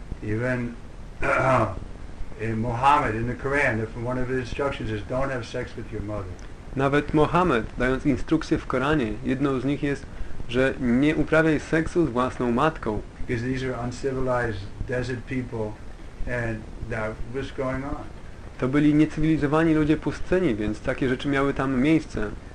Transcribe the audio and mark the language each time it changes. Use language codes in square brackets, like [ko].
[en] Even in Muhammad in the Quran, if one of his instructions is don't have sex with your mother. [pl] Nawet Mohamed, dając instrukcję w Koranie, jedną z nich jest, że nie uprawiaj seksu z własną matką. [en] Because these are uncivilized desert people and that was going on. [pl] To byli niecywilizowani ludzie pustyni, więc takie rzeczy miały tam miejsce.